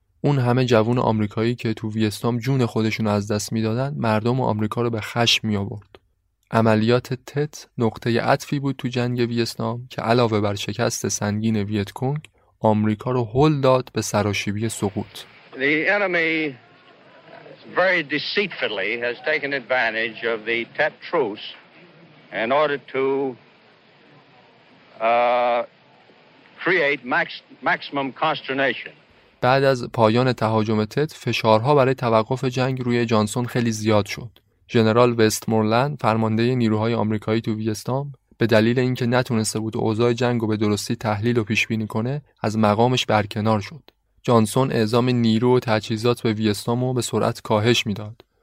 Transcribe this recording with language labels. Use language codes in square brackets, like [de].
[fa] اون همه جوان آمریکایی که تو ویتنام جون خودشون از دست میدادن مردم آمریکا رو به خشم می آورد. عملیات تت نقطه عطفی بود تو جنگ ویتنام که علاوه بر شکست سنگین ویتکونگ، آمریکا رو هول داد به سراشیبی سقوط. [en] The enemy very deceitfully has taken advantage of the Tet truce in order to create maximum consternation. [fa] بعد از پایان تهاجم تت، فشارها برای توقف جنگ روی جانسون خیلی زیاد شد. جنرال وستمورلند، فرمانده نیروهای آمریکایی تو ویتنام، به دلیل اینکه نتونسته بود اوضاع جنگ رو به درستی تحلیل و پیش بینی کنه، از مقامش برکنار شد. جانسون اعزام نیرو و تجهیزات به ویتنام رو به سرعت کاهش میداد.